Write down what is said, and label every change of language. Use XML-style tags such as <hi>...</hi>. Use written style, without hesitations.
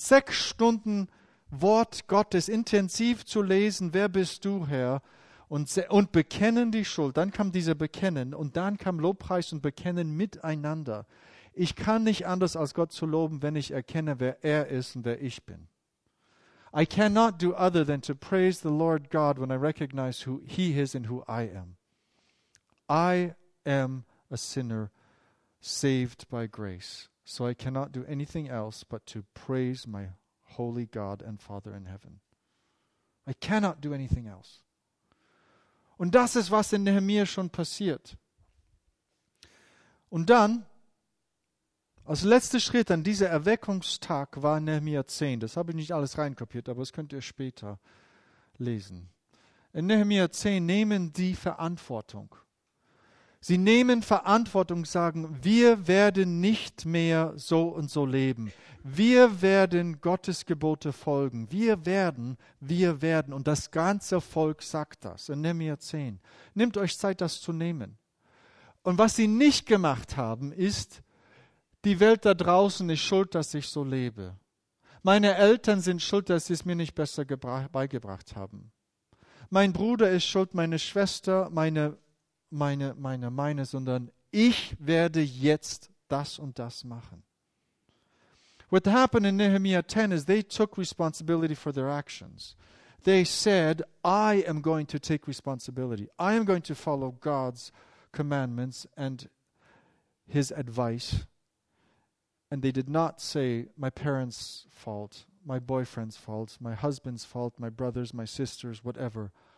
<de>6 Stunden Wort Gottes intensiv zu lesen, wer bist du, Herr? Und bekennen die Schuld. Dann kam dieser Bekennen und dann kam Lobpreis und Bekennen miteinander. Ich kann nicht anders als Gott zu loben, wenn ich erkenne, wer er ist und wer ich bin.</de> <en>I cannot do other than to praise the Lord God when I recognize who he is and who I am. I am a sinner saved by grace. So I cannot do anything else but to praise my Holy God and Father in heaven. I cannot do anything else.</en> <de>Und das ist, was in Nehemia schon passiert. Und dann, als letzter Schritt an dieser Erweckungstag war Nehemia 10. Das habe ich nicht alles reinkopiert, aber das könnt ihr später lesen. In Nehemia 10 nehmen die Verantwortung. Sie nehmen Verantwortung, sagen, wir werden nicht mehr so und so leben. Wir werden Gottes Gebote folgen. Wir werden. Und das ganze Volk sagt das. In Nehemia 10. Nehmt euch Zeit, das zu nehmen. Und was sie nicht gemacht haben, ist, die Welt da draußen ist schuld, dass ich so lebe. Meine Eltern sind schuld, dass sie es mir nicht besser beigebracht haben. Mein Bruder ist schuld, meine Schwester, meine, sondern ich werde jetzt das und das machen.</de> <en>What happened in Nehemiah 10 is they took responsibility for their actions. They said, I am going to take responsibility. I am going to follow God's commandments and his advice. And they did not say, my parents' fault, my boyfriend's fault, my husband's fault, my brothers, my sisters, whatever.</en>